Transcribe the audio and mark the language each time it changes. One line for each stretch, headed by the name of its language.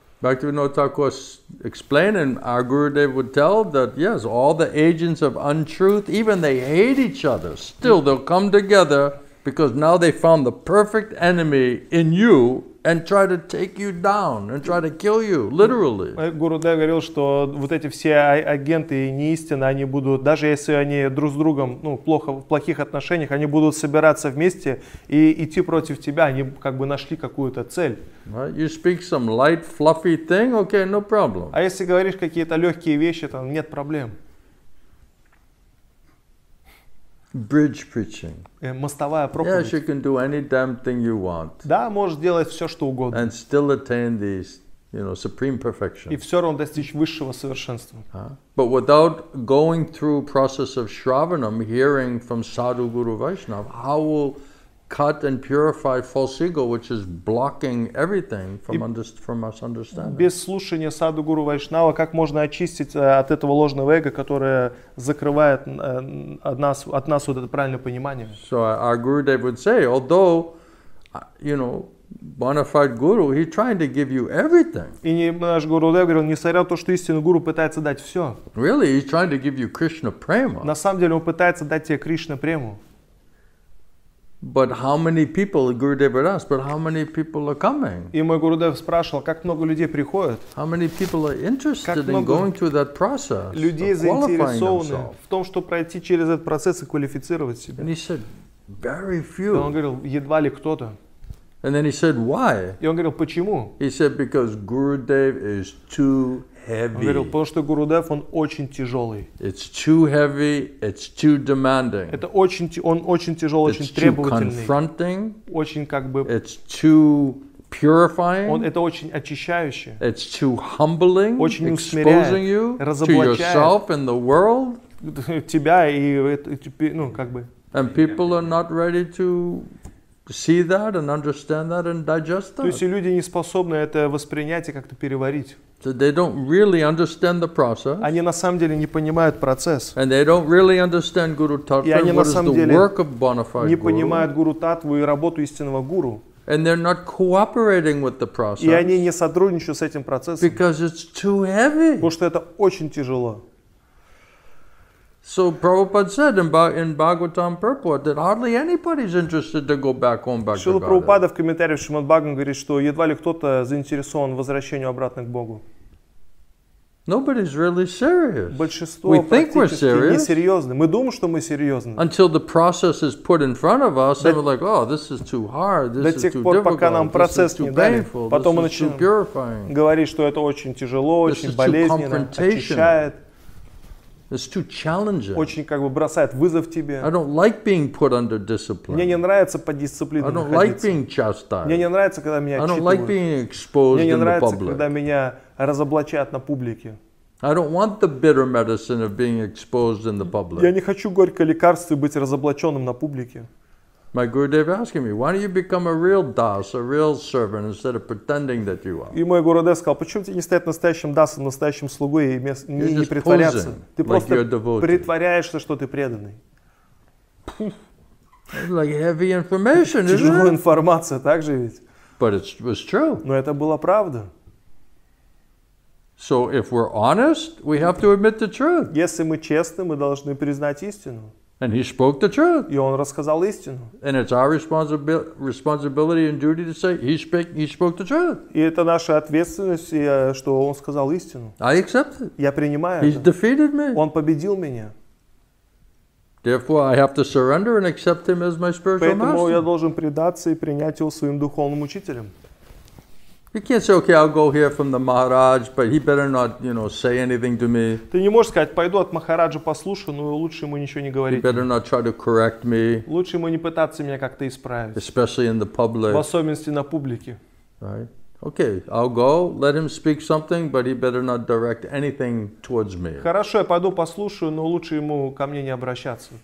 English: Bhaktivinoda Thakur explained, and our Gurudev would tell that yes, all the agents of untruth, even they hate each other, still they'll come together because now they found the perfect enemy in you and try to take you down and try to kill you, literally.
Russian: Гурудев говорил, что вот эти все агенты неистины, они будут, даже если они друг с другом, ну, плохо, в плохих отношениях, они будут собираться вместе и идти против тебя, они как бы нашли какую-то цель.
English: Right? You speak some light, fluffy thing, okay, no problem.
Russian: А если говоришь какие-то легкие вещи, там нет проблем.
English: Bridge preaching.
Russian: Мостовая проповедь.
English: Yes, you can do any damn thing you want.
Russian: Да, можешь делать все, что угодно.
English: And still attain these, you know, supreme perfection.
Russian: И все равно достичь высшего совершенства.
English: But without going through process of shravanam, hearing from sadhu guru Vaishnav, how will cut and purify false ego, which is blocking everything from us understanding.
Russian: Без слушания саду гуру вайшнава, как можно очистить от этого ложного эго, которое закрывает от нас вот это правильное понимание?
English: So our Gurudev would say, although, you know, bona fide guru, he's trying to give you everything.
Russian: И наш Гурудев говорил, несмотря на то, что истинный гуру пытается дать все.
English: Really, he's trying to give you Krishna prema.
Russian: На самом деле, он пытается дать тебе Кришна прему.
English: But how many people, Gurudev would ask, but how many people are coming?
Russian: И мой Гурудев спрашивал, как много людей приходят?
English: How many people are interested in going through that process?
Russian: Людей заинтересованы в том, чтобы пройти через этот процесс и квалифицировать себя.
English: And he said, very few.
Russian: Он говорил, едва ли кто-то.
English: And then he said, why?
Russian: И он говорил, почему?
English: He said, because Gurudev is too heavy.
Russian: Он говорил, потому что Гурудев, он очень тяжелый.
English: It's too heavy, it's too demanding.
Russian: Это очень, он очень тяжелый,
English: it's
Russian: очень требовательный.
English: It's too confronting.
Russian: Очень как бы...
English: It's too purifying.
Russian: Он, это очень очищающее.
English: It's too humbling.
Russian: Очень усмиряет.
English: Exposing you
Russian: разоблачает.
English: To yourself and the world.
Russian: Тебя и... ну, как бы...
English: And people are not ready to... See that and understand that and digest that.
Russian: То есть люди не способны это воспринять и как-то переварить.
English: So they don't really understand the process.
Russian: Они на самом деле не понимают процесс.
English: And they don't really understand Guru Tattva.
Russian: И они на самом деле
English: work of bona fide
Russian: не понимают Guru Tattva и работу истинного гуру.
English: And they're not cooperating with the process.
Russian: И они не сотрудничают с этим процессом.
English: Because it's too heavy.
Russian: Потому что это очень тяжело.
English: So Prabhupada said in Bhagavatam purport that hardly anybody is interested to go back home back to God.
Russian: Шрила Прабхупада в комментарии в Шримад Бхагаватам говорит, что едва ли кто-то заинтересован в возвращении обратно к Богу.
English: Nobody's really serious.
Russian: Большинство
English: we think we're serious.
Russian: Несерьезны. Мы думаем, что мы серьезны.
English: Until the process is put in front of us, and we're like, oh, this is too hard, this is too difficult,
Russian: до тех пор, пока нам процесс не дали, потом мы начинаем говорить, что это очень тяжело,
English: this
Russian: очень болезненно, очищает.
English: It's too challenging.
Russian: Очень как бы бросает вызов тебе.
English: I don't like being put under discipline.
Russian: Мне не нравится под дисциплиной
English: I don't
Russian: находиться.
English: Like being chastised.
Russian: Мне не нравится, когда меня
English: I don't like being exposed
Russian: мне не
English: in
Russian: нравится,
English: the public.
Russian: Когда меня разоблачают на публике.
English: I don't want the bitter medicine of being exposed in the public.
Russian: Я не хочу горькое лекарство и быть разоблаченным на публике.
English: My Gurudev asking me, why don't you become a real das, a real servant, instead of pretending that you are?
Russian: И мой Гурудев сказал, почему тебе не стать настоящим дасом, настоящим слугой и не притворяться? Ты просто притворяешься, что ты преданный.
English: Like heavy information, isn't it?
Russian: Тяжелая информация, так же ведь?
English: But it was true.
Russian: Но это была правда.
English: So if we're honest, we have to admit the truth.
Russian: Если мы честны, мы должны признать истину.
English: And he spoke the truth.
Russian: И он рассказал истину.
English: And it's our responsibility and duty to say he spoke the truth.
Russian: И это наша ответственность, что он сказал истину.
English: I accept it.
Russian: Я принимаю
English: He's
Russian: это.
English: Defeated me.
Russian: Он победил меня.
English: Therefore, I have to surrender and accept him as my spiritual
Russian: Поэтому
English: master.
Russian: Поэтому я должен предаться и принять его своим духовным учителем.
English: You can't say, okay, I'll go hear from the Maharaj, but he better not, you know, say anything to me.
Russian: Ты не можешь сказать, пойду от Махараджа послушаю, но лучше ему ничего не говорить.
English: He better not try to correct me.
Russian: Лучше ему не пытаться меня как-то исправить.
English: Especially in the public.
Russian: В особенности на публике.
English: Right? Okay, I'll go, let him speak something, but he better not direct anything towards me.
Russian: Хорошо, я пойду послушаю, но лучше ему ко мне не обращаться.